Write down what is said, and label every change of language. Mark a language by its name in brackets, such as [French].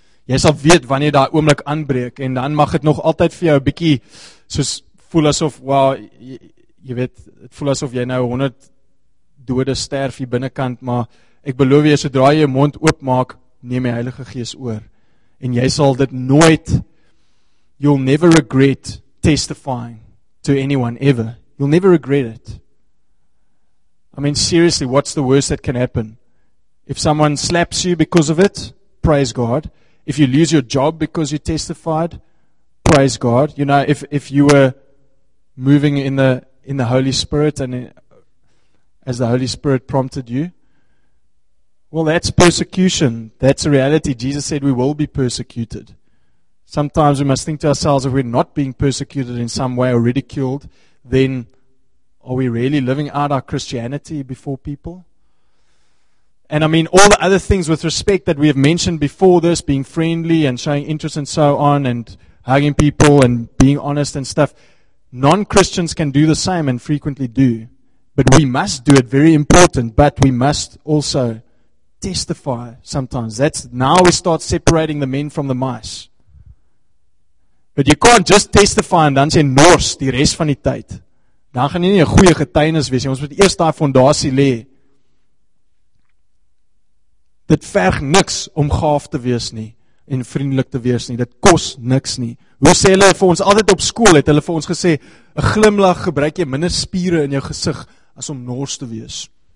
[Afrikaans] Jy sal weet wanneer daai oomblik aanbreek en dan mag dit nog altyd vir jou 'n bietjie soos voel asof wow, jy weet, dit voel asof jy nou 100 dode sterf hier binnekant, maar ek beloof jy sodra jy jou mond oopmaak, neem die Heilige Gees oor en jy sal dit nooit [English] you'll never regret testifying to anyone ever. You'll never regret it. I mean, seriously, what's the worst that can happen? If someone slaps you because of it, praise God. If you lose your job because you testified, praise God. You know, if you were moving in the Holy Spirit and as the Holy Spirit prompted you, well, that's persecution. That's a reality. Jesus said we will be persecuted. Sometimes we must think to ourselves, if we're not being persecuted in some way or ridiculed, then are we really living out our Christianity before people? And I mean, all the other things with respect that we have mentioned before this, being friendly and showing interest and so on, and hugging people and being honest and stuff, non-Christians can do the same and frequently do. But we must do it, very important, but we must also testify sometimes. That's now we start separating the men from the mice. But you can't just testify and then say [Afrikaans] Norse die rest van die tyd. Dan gaan nie 'n goeie getuienis wees nie. Ons moet eers daai fondasie lê. Dit verg niks om gaaf te wees nie en vriendelik te wees nie. Dit kos niks nie. Hoe sê hulle vir ons altyd op skool, het hulle vir ons gesê, 'n glimlag gebruik jy minder spiere in jou gesig as om nors te wees.